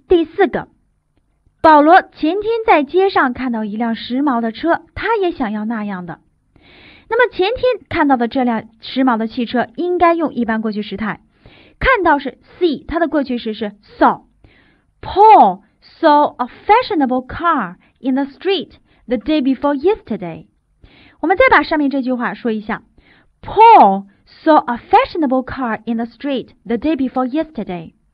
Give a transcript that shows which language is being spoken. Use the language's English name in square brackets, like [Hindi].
[Chinese] 第四个，保罗前天在街上看到一辆时髦的车，他也想要那样的。那么前天看到的这辆时髦的汽车应该用一般过去时态，看到是 see， 它的过去时是 saw。 [English] Paul saw a fashionable car in the street the day before yesterday。 [Chinese] 我们再把上面这句话说一下。 [English] Paul saw a fashionable car in the street the day before yesterday。